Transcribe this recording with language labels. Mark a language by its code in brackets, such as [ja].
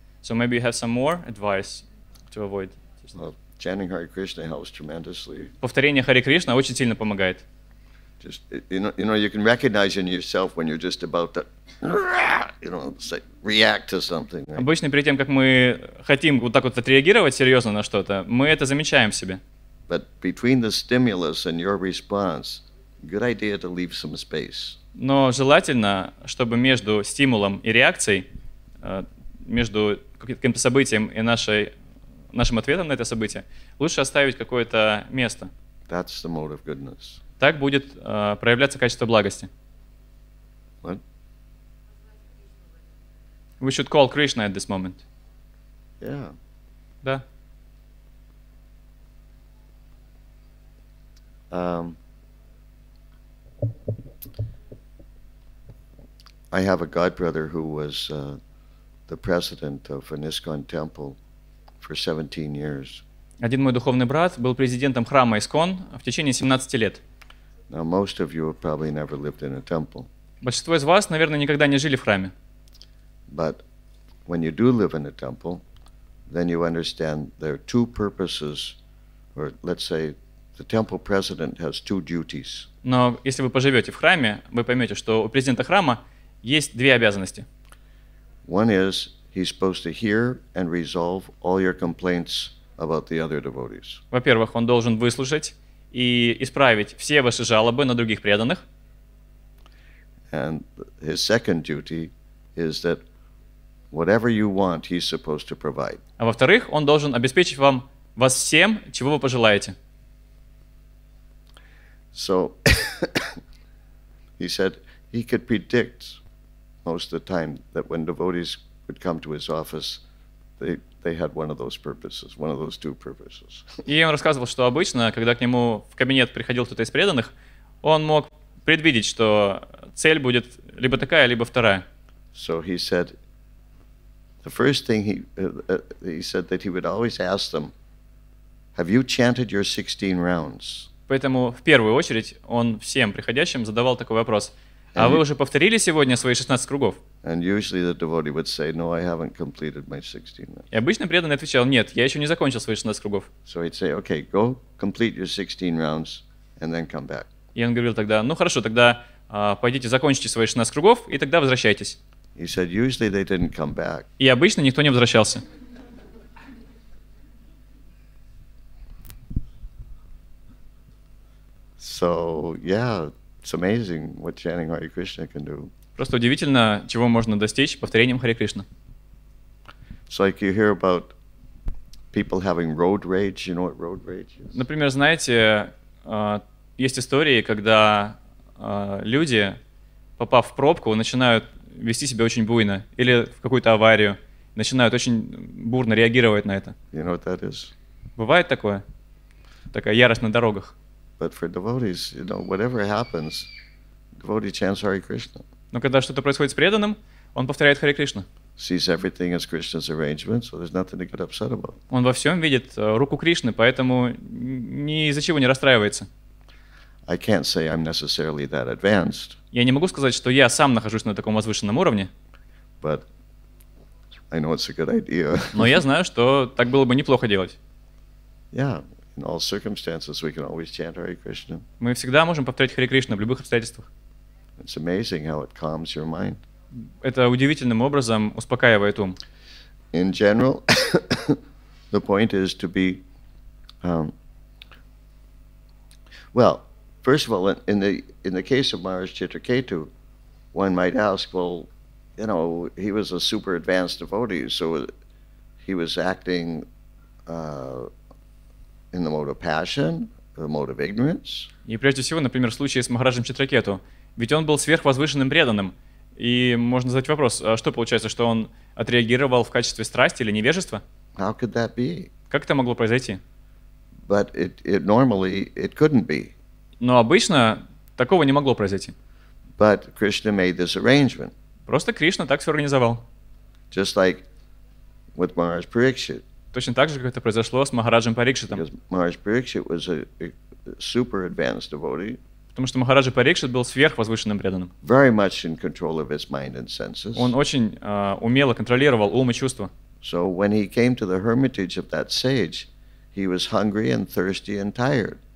[en] So maybe you have some more advice to avoid. Well, chanting Hare Krishna helps tremendously. [ru] Повторение Харе Кришна очень сильно помогает. [en] Just, you know, you can recognize in yourself when you're just about to, you know, say, react to something. Right? [ru] Обычно перед тем, как мы хотим вот так вот отреагировать серьезно на что-то, мы это замечаем в себе. [en] But between the stimulus and your response, good idea to leave some space. [ru] Но желательно, чтобы между стимулом и реакцией, между каким-то событием и нашим ответом на это событие, лучше оставить какое-то место. [en] That's the mode of goodness. [ru] Так будет проявляться качество благости. [en] What? We should call Krishna at this moment. Yeah. [ru] Да. [en] I have a godbrother who was the president of an ISKCON temple. For 17 years. [ru] Один мой духовный брат был президентом храма ИСКОН в течение 17 лет. [en] Now, most of you have probably never lived in a temple. [ru] Большинство из вас, наверное, никогда не жили в храме. [en] But when you do live in a temple, then you understand there are two purposes, or let's say, the temple president has two duties. [ru] Но если вы поживете в храме, вы поймете, что у президента храма есть две обязанности. [en] One is he's supposed to hear and resolve all your complaints about the other devotees. [ru] Во-первых, он должен выслушать и исправить все ваши жалобы на других преданных. [en] And his second duty is that whatever you want, he's supposed to provide. [ru] А во-вторых, он должен обеспечить вам вас всем, чего вы пожелаете. [en] So he said he could predict most of the time that when devotees would come to his office, they had one of those purposes, one of those two purposes. [ru] И он рассказывал, что обычно, когда к нему в кабинет приходил кто-то из преданных, он мог предвидеть, что цель будет либо такая, либо вторая. [en] So he said, the first thing he said that he would always ask them, have you chanted your 16 rounds? [ru] Поэтому в первую очередь он всем приходящим задавал такой вопрос: а вы уже повторили сегодня свои 16 кругов? [en] And usually the devotee would say, no, I haven't completed my 16 rounds. [ru] И обычно преданный отвечал: нет, я еще не закончил свои 16 кругов. [en] So he'd say, okay, go complete your 16 rounds and then come back. [ru] И он говорил тогда: ну хорошо, тогда пойдите, закончите свои 16 кругов и тогда возвращайтесь. [en] He said, usually they didn't come back. [ru] И обычно никто не возвращался. [en] So, yeah, it's amazing what chanting Hare Krishna can do. [ru] Просто удивительно, чего можно достичь повторением Харе Кришна. [en] It's like you hear about people having road rage. You know what road rage is? [ru] Например, знаете, есть истории, когда люди, попав в пробку, начинают вести себя очень буйно или в какую-то аварию, начинают очень бурно реагировать на это. [en] You know what that is? [ru] Бывает такое? Такая ярость на дорогах. [en] But for devotees, you know, whatever happens, devotee chants Hare Krishna. [ru] Но когда что-то происходит с преданным, он повторяет Харе Кришна. [en] Sees everything as Krishna's arrangement, so there's nothing to get upset about. [ru] Он во всем видит руку Кришны, поэтому ни из-за чего не расстраивается. [en] I can't say I'm necessarily that advanced. [ru] Я не могу сказать, что я сам нахожусь на таком возвышенном уровне. [en] But I know it's a good idea. [ru] Но я знаю, что так было бы неплохо делать. [en] Yeah. In all circumstances, we can always chant Hare Krishna. [ru] Мы всегда можем повторять Харе Кришна в любых обстоятельствах. [en] It's amazing how it calms your mind. [ru] Это удивительным образом успокаивает ум. [en] In general, the point is to be well. First of all, in the case of Maharaj Chitraketu, one might ask, well, you know, he was a super advanced devotee, so he was acting in the mode of passion, the mode of ignorance. [ru] И прежде всего, например, в случае с Махараджем Читракету, ведь он был сверхвозвышенным преданным. И можно задать вопрос, а что получается, что он отреагировал в качестве страсти или невежества? [en] How could that be? [ru] Как это могло произойти? [en] But it normally it couldn't be. [ru] Но обычно такого не могло произойти. [en] But Krishna made this arrangement. [ru] Просто Кришна так все организовал. [en] Just like with Maharaj Parikshit. [ru] Точно так же, как это произошло с Махараджем Парикшитом. [en] Maharaj Parikshit was a super advanced devotee. [ru] Потому что Махараджа Парикшит был сверхвозвышенным преданным. [en] Very much in control of his mind and senses. [ru] Он очень умело контролировал ум и чувства. [en] So when he came to the hermitage of that sage, he was hungry and thirsty and tired.